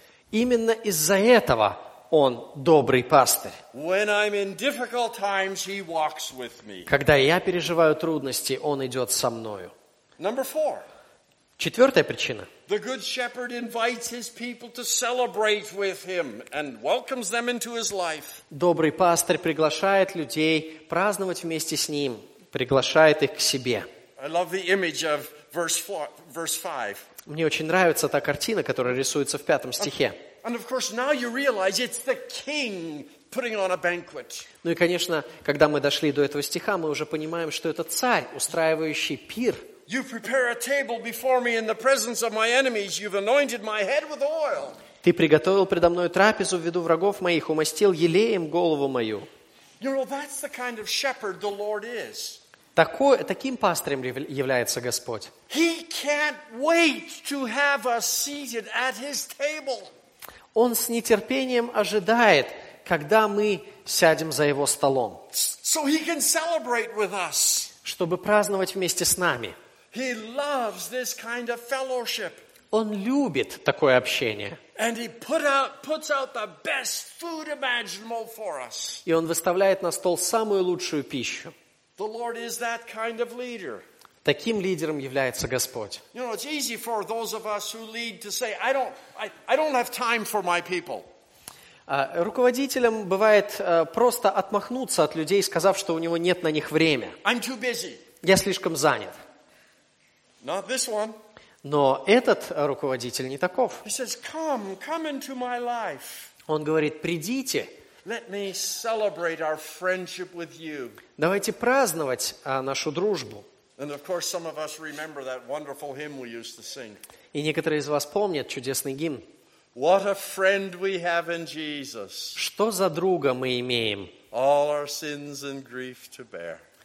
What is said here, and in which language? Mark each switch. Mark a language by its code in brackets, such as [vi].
[ru] Именно из-за этого он добрый пастырь. [en] When I'm in difficult times, he walks with me. [ru] Когда я переживаю трудности, он идет со мною. [en] Number four. [ru] Четвертая причина. [en] The good shepherd invites his people to celebrate with him and welcomes them into his life. [ru] Добрый пастырь приглашает людей праздновать вместе с ним, приглашает их к себе. [en] I love the image of verse 5. [ru] Мне очень нравится та картина, которая рисуется в пятом стихе. [en] And of course, now you realize it's the king putting on a banquet. [ru] Ну и, конечно, когда мы дошли до этого стиха, мы уже понимаем, что это царь, устраивающий пир. [en] You prepare a table before me in the presence of my enemies. You've anointed my head with oil. [ru] Ты приготовил предо мной трапезу ввиду врагов моих, умастил елеем голову мою. [en] You know, that's the kind of shepherd the Lord is. [ru] Таким пастырем является Господь. [en] He can't wait to have us seated at his table. [ru] Он с нетерпением ожидает, когда мы сядем за его столом. [en] So he can celebrate with us. [ru] Чтобы праздновать вместе с нами. [en] He loves this kind of fellowship. [ru] Он любит такое общение. [en] And he puts out the best food imaginable for us. [ru] И он выставляет на стол самую лучшую пищу. [en] The Lord is that kind of leader. [ru] Таким лидером является Господь. [en] You know, it's easy for those of us who lead to say, I don't have time for my people. [ru] Руководителям бывает просто отмахнуться от людей, сказав, что у него нет на них время. [en] I'm too busy. [ru] Я слишком занят. [en] Not this one. [ru] Но этот руководитель не таков. [en] He says, come into my life. [ru] Он говорит, придите. [en] Let me celebrate our friendship with you. [ru] Давайте праздновать нашу дружбу. [en] And of course, some of us remember that wonderful hymn we used to sing. [ru] И некоторые из вас помнят чудесный гимн. [en] What a friend we have in Jesus. [ru] Что за друга мы имеем? [en] All our sins and grief to bear.